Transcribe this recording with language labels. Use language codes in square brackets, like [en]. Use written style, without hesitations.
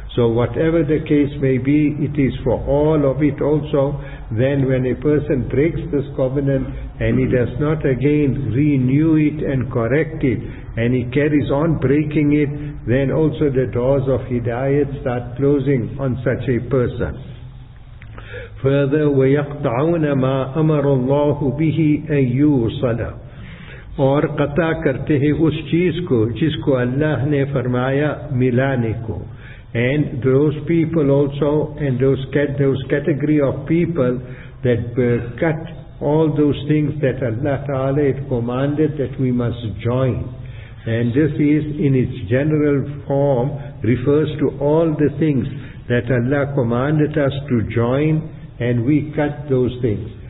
[en] So whatever the case may be, it is for all of it also. Then when a person breaks this covenant and he does not again renew it and correct it, and he carries on breaking it, then also the doors of hidayat start closing on such a person. Further, [ar] وَيَقْطَعُونَ مَا أَمَرُ اللَّهُ بِهِ أَيُّ صَلَى. [ur] اور قطع کرتے ہیں اس چیز کو جس کو اللہ نے فرمایا ملانے کو. [en] And those people also, and those category of people that cut all those things that Allah Ta'ala had commanded that we must join. And this is, in its general form, refers to all the things that Allah commanded us to join, and we cut those things.